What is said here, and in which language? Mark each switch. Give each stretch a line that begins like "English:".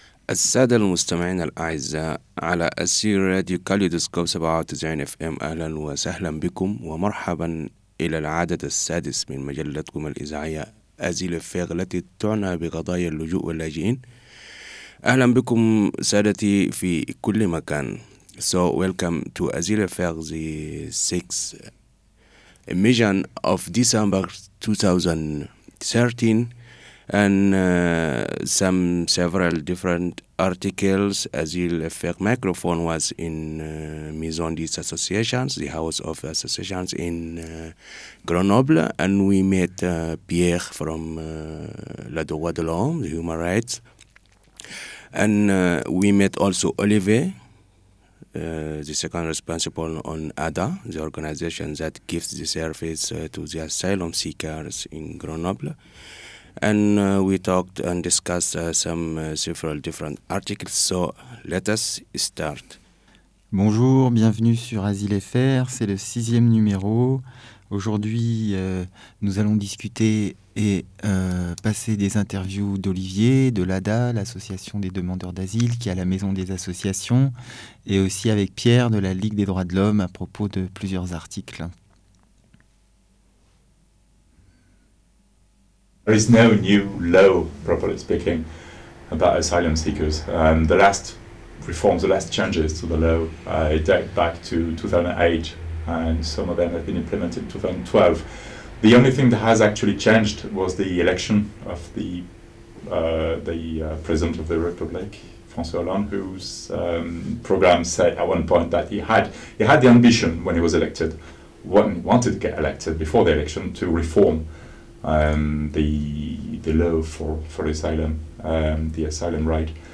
Arabic: السادة المستمعين الأعزاء على أسير راديو كاليدوسكوب 97 FM، أهلا وسهلا بكم ومرحبا إلى العدد السادس من مجلتكم الإذاعية أزيل الفيغ التي تعنى بقضايا اللجوء واللاجئين. أهلا بكم سادتي في كل مكان.
English: So welcome to Asile FR, the sixth emission of December 2013. And several different articles. Asile FR microphone was in Maison des Associations, the House of Associations in Grenoble, and we met Pierre from La Droit de l'Homme, the Human Rights, and we met also Olivier, the second responsible on ADA, the organization that gives the service to the asylum seekers in Grenoble. And we talked and discussed several different articles, so let us start.
French: Bonjour, bienvenue sur Asile FR, c'est le sixième numéro. Aujourd'hui, nous allons discuter et passer des interviews d'Olivier, de l'ADA, l'association des demandeurs d'asile qui est à la maison des associations, et aussi avec Pierre de la Ligue des droits de l'homme à propos de plusieurs articles.
English: There is no new law, properly speaking, about asylum seekers. The last reforms, the last changes to the law, date back to 2008, and some of them have been implemented in 2012. The only thing that has actually changed was the election of the President of the Republic, François Hollande, whose program said at one point that he had the ambition when he was elected, when he wanted to get elected before the election, to reform the law for asylum, the asylum right.